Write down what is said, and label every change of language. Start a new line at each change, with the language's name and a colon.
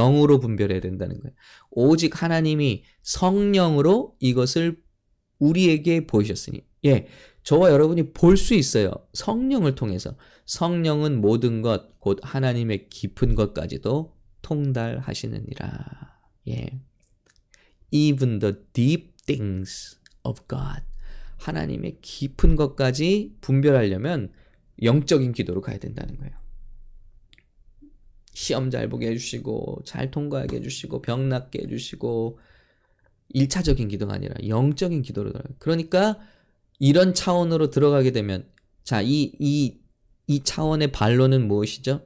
Korean: 영으로 분별해야 된다는 거예요. 오직 하나님이 성령으로 이것을 우리에게 보이셨으니. 예, 저와 여러분이 볼수 있어요. 성령을 통해서. 성령은 모든 것, 곧 하나님의 깊은 것까지도 통달하시느니라. 예.
English: Even the deep things of God.
Korean: 하나님의 깊은 것까지 분별하려면 영적인 기도로 가야 된다는 거예요. 시험 잘 보게 해주시고, 잘 통과하게 해주시고, 병 낫게 해주시고, 1차적인 기도가 아니라 영적인 기도로 들어가요. 그러니까 이런 차원으로 들어가게 되면, 자, 이 차원의 반론은 무엇이죠?